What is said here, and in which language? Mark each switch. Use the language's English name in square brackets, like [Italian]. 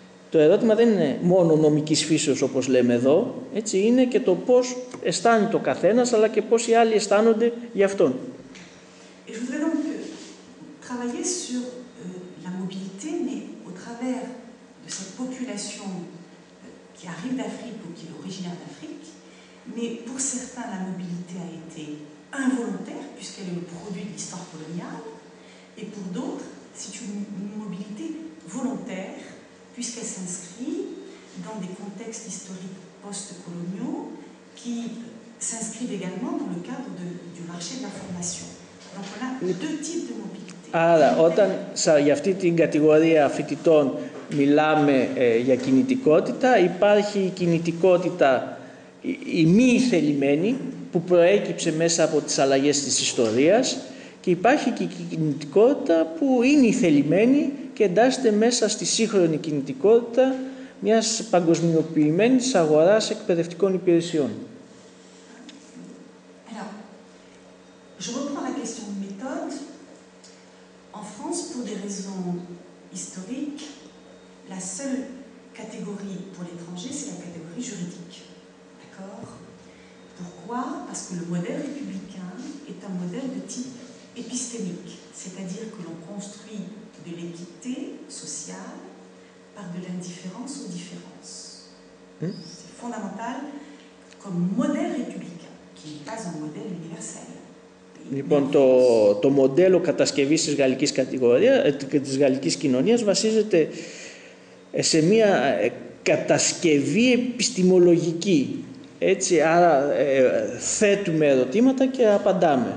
[Greek] Το ερώτημα δεν είναι μόνο νομικής φύσεως, όπως λέμε εδώ, έτσι, είναι και το πώς αισθάνεται ο καθένας, αλλά και πώς οι άλλοι αισθάνονται γι' αυτόν. [French] Je voudrais donc travailler sur la mobilité, mais au travers de cette population qui arrive d'Afrique ou qui est originaire d'Afrique, mais pour certains la mobilité a été involontaire, puisqu'elle est le produit de l'histoire coloniale, et pour d'autres, c'est une mobilité volontaire, puisqu'elle s'inscrit dans des contextes historiques post-coloniaux qui s'inscrivent également dans le cadre du marché de la formation. Donc on a deux types de mobilité. [Greek] Άρα, όταν για αυτή την κατηγορία φοιτητών μιλάμε για κινητικότητα, υπάρχει η κινητικότητα η μη θελημένη, που προέκυψε μέσα από τις αλλαγές της ιστορίας, Και υπάρχει και η κινητικότητα που είναι ηθελημένη και εντάσσεται μέσα στη σύγχρονη κινητικότητα μιας παγκοσμιοποιημένης αγοράς εκπαιδευτικών υπηρεσιών. [French] Je reprends la question de méthode. En France, pour des raisons historiques, la seule catégorie pour l'étranger, c'est la catégorie juridique. D'accord ? Pourquoi ? Parce que le modèle républicain est un modèle de type épistémique, c'est-à-dire que l'on construit de l'équité sociale par de l'indifférence aux différences. C'est fondamental comme modèle républicain, qui n'est pas un modèle universel. [Greek] Λοιπόν, το μοντέλο κατασκευής της γαλλικής κατηγορίας, της γαλλικής κοινωνίας βασίζεται σε μια κατασκευή επιστημολογική. Έτσι, άρα θέτουμε ερωτήματα και απαντάμε.